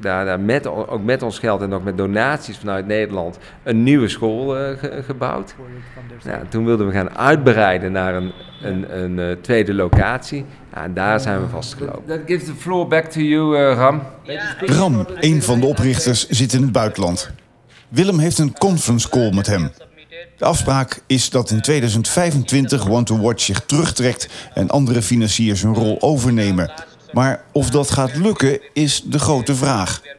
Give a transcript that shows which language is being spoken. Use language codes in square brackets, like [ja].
[nl] Daar met, ook met ons geld en ook met donaties vanuit Nederland, een nieuwe school gebouwd. Ja, toen wilden we gaan uitbreiden naar een tweede locatie. Ja, en daar zijn we vastgelopen. [en] That gives the floor back to you, RAM. Yeah. [nl] RAM, een van de oprichters, zit in het buitenland. Willem heeft een conference call met hem. De afspraak is dat in 2025 Want2Watch zich terugtrekt en andere financiers hun rol overnemen. Maar of dat gaat lukken is de grote vraag.